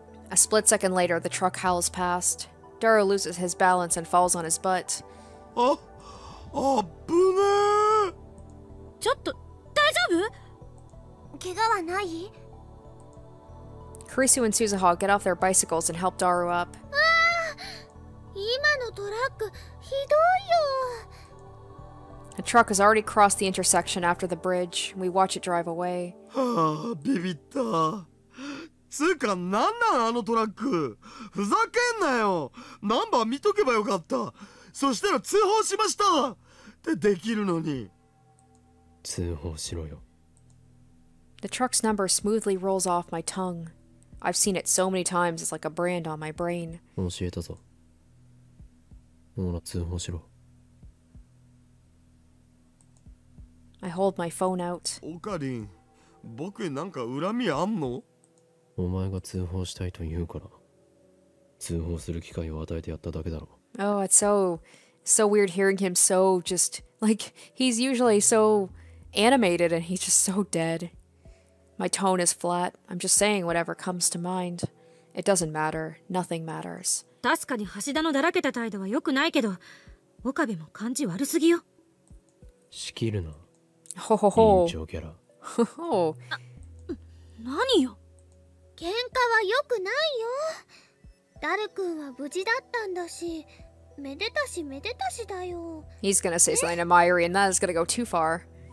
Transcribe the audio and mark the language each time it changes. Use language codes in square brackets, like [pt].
[en] A split second later, the truck howls past. Daro loses his balance and falls on his butt. [ja] Oh, abune! ちょっと、大丈夫？怪我はない？ [en] Kurisu and Suzuha get off their bicycles and help Daru up. [ja] わあ、今のトラック、ひどいよ。 [en] A truck has already crossed the intersection after the bridge. We watch it drive away. [ja] はあ、ビビった。つうか、なんなんあのトラック。ふざけんなよ。ナンバー見とけばよかった。そしたら通報しました。ってできるのに。通報しろよ。 [en] The truck's number smoothly rolls off my tongue. I've seen it so many times, it's like a brand on my brain. [ja] 教えたぞ。ほら、通報しろ。 [en] I hold my phone out. [ja] オカリン、僕になんか恨みあんの？お前が通報したいと言うから、通報する機会を与えてやっただけだろ。 [en] Oh, it's so weird hearing him so just, like, he's usually so animated and he's just so dead. My tone is flat. I'm just saying whatever comes to mind. It doesn't matter. Nothing matters. [ja] 確かに橋田のだらけた態度は良くないけど、岡部も感じ悪すぎよ。仕切るな。ほほほ。委員長キャラ。ほほ。何よ。喧嘩は良くないよ。ダル君は無事だったんだし、めでたしめでたしだよ。 [en] He's gonna say something to Mayuri, and that is gonna go too far.